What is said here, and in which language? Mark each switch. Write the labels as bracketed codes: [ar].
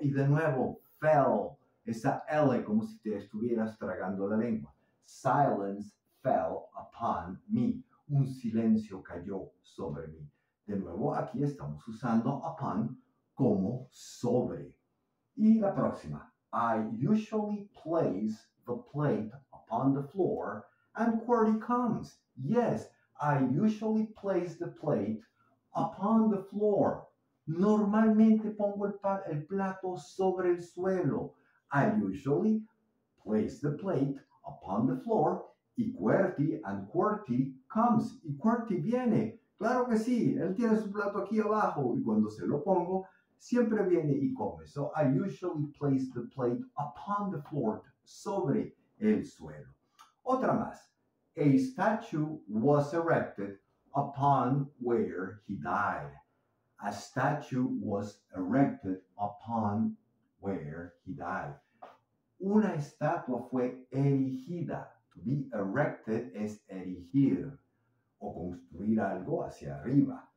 [es] Y de nuevo, fell. Esa L como si te estuvieras tragando la lengua. [en] Silence fell upon me. [es] Un silencio cayó sobre mí. De nuevo, aquí estamos usando upon como sobre. Y la próxima. [en] I usually place the plate upon the floor and QWERTY comes. Yes. I usually place the plate upon the floor. [es] Normalmente pongo el plato sobre el suelo. [en] I usually place the plate upon the floor. [es] Y QWERTY [en] and QWERTY comes. [es] Y QWERTY viene. Claro que sí. Él tiene su plato aquí abajo. Y cuando se lo pongo, siempre viene y come. [en] So I usually place the plate upon the floor. [es] Sobre el suelo. Otra más. [en] A statue was erected upon where he died. A statue was erected upon where he died. [es] Una estatua fue erigida. [en] To be erected [es] es erigir o construir algo hacia arriba.